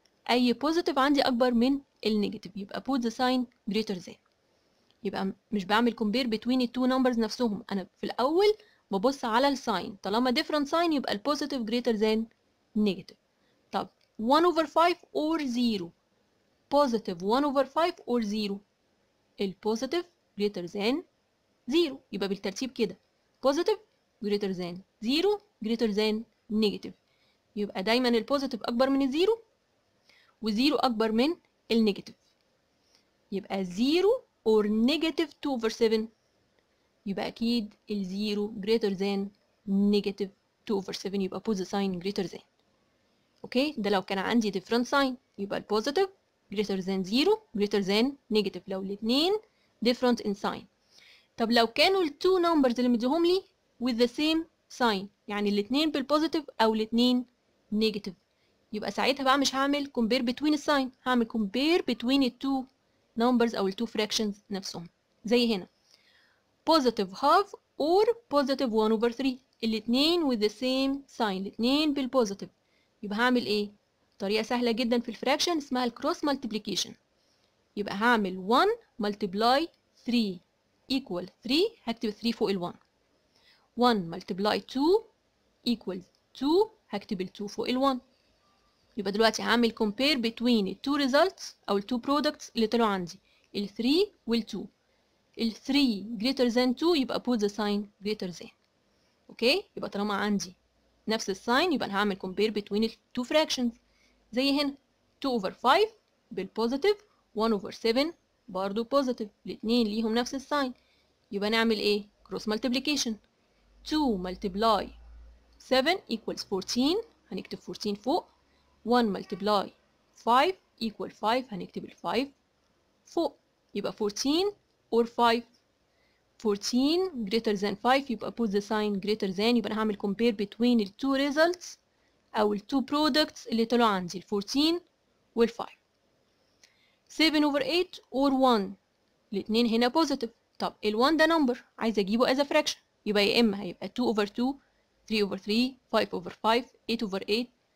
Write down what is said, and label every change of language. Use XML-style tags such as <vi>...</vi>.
<ar>أي positive عندي أكبر من النيجاتيف يبقى</ar> <en>put the sign greater than.</en> <ar>يبقى مش بعمل compare between the two numbers نفسهم. أنا في الأول ببص على الساين. طالما</ar> <en>different sign</en> <ar>يبقى</ar> <en>positive greater than negative. طب 1 over 5 or 0. Positive 1 over 5 or 0. Positive greater than 0.</en> <ar>يبقى بالترتيب كده.</ar> <en>Positive greater than 0 greater than negative.</en> <ar>يبقى دايما positive أكبر من 0 و 0 أكبر من النيجاتيف.</ar> <en>يبقى 0 or negative 2 over 7.</en> <ar>يبقى أكيد</ar> <en>0 greater than negative 2 over 7.</en> <ar>يبقى</ar> <en>put the sign greater than.</en> <ar>أوكي؟ ده لو كان عندي different sign. يبقى</ar> <en>positive greater than 0 greater than negative.</en> <ar>لو الاثنين</ar> <en>different in sign.</en> <ar>طب لو كانوا ال two numbers اللي مديهم لي</ar> <en>with the same sign.</en> <ar>يعني الاثنين بالpositive أو الاثنين negative. يبقى ساعتها بقى مش هعمل</ar> <en>compare between the sign.</en> <ar>هعمل</ar> <en>compare between the two numbers أو the two fractions</en> <ar>نفسهم. زي هنا.</ar> <en>Positive half or positive 1 over 3.</en> <ar>الاثنين</ar> <en>with the same sign.</en> <ar>الاثنين بالpositive. يبقى هعمل ايه؟ طريقة سهلة جدا في الفراكشن اسمها cross multiplication. يبقى هعمل</ar> <en>1 multiply 3 equal 3.</en> <ar>هكتب 3 فوق ال 1.</ar> <en>1 multiply 2 equal 2.</en> <ar>هكتب ال 2 فوق ال 1. يبقى دلوقتي هعمل</ar> <en>compare between the two results أو the two products</en> <ar>اللي طلعوا عندي. ال 3 وال 2.</ar> <en>ال 3 greater than 2</en> <ar>يبقى</ar> <en>put the sign greater than.</en> <ar>أوكي؟ يبقى طالما عندي نفس السين يبقى هعمل</ar> <en>compare between the two fractions.</en> <ar>زي هنا 2 over 5 بالpositive 1 over 7 برضو positive. الاثنين ليهم نفس السين. يبقى نعمل ايه؟ cross multiplication.</ar> <en>2 multiply 7 equals 14.</en> <ar>هنكتب 14 فوق.</ar> <en>1 multiply 5 equal 5.</en> <ar>هنكتب ال 5 فوق. يبقى</ar> <en>14 or 5. 14 greater than 5. يبقى put the sign greater than.</en> <ar>يبقى هعمل</ar> <en>compare between the two results أو the two products</en> <ar>اللي طلعوا عندي. 14 وال 5. 7 over 8 or 1. الاثنين هنا positive. طب ال 1 ده number عايز أجيبه</ar> <en>as a fraction.</en> <ar>يبقى يا إما هيبقى 2 over 2, 3 over 3, 5 over 5, 8 over 8.</ar>